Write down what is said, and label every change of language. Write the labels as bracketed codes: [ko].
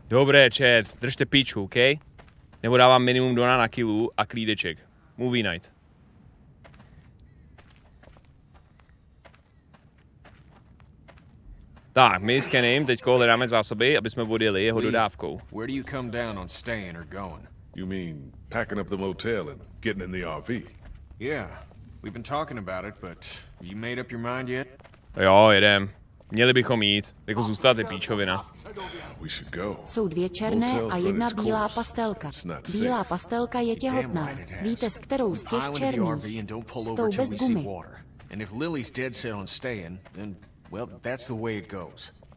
[cs] Dobré, čet, držte píču, OK? Nebo dávám minimum dona na kilu a klídeček. [en] Movie night. [cs] Tak, my s Kennym teďko hledáme zásoby, aby jsme vodili jeho dodávkou. [en] Where do you come down on staying or going? You mean packing up the motel and getting in the RV? Yeah, we've been talking about it, but have you made up your mind yet? [cs] Jo, jedem. Měli bychom jít. Jako zůstat je píčovina. [en] We should go. [cs] Jsou dvě černé a jedna bílá pastelka. Bílá pastelka je těhotná. Víte, s kterou z těch černých? S tou bez gumy. [en] And if Lily's dead set on staying, then... Well, that's the way it goes.